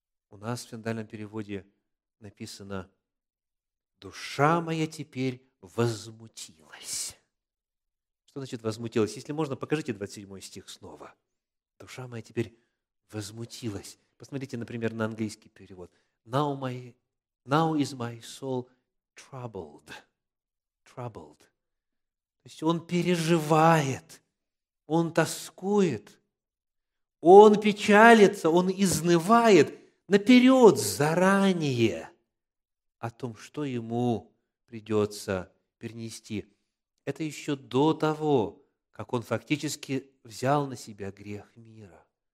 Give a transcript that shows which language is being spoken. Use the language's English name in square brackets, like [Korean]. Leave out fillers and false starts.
[Russian] У нас в синодальном переводе написано: «Душа моя теперь возмутилась». Что значит «возмутилась»? Если можно, покажите 27 стих снова. «Душа моя теперь возмутилась». Посмотрите, например, на английский перевод. [English] Now is my soul troubled. Troubled. [Russian] То есть он переживает, он тоскует, он печалится, он изнывает наперед, заранее о том, что ему придется перенести. Это еще до того, как он фактически взял на себя грех мира.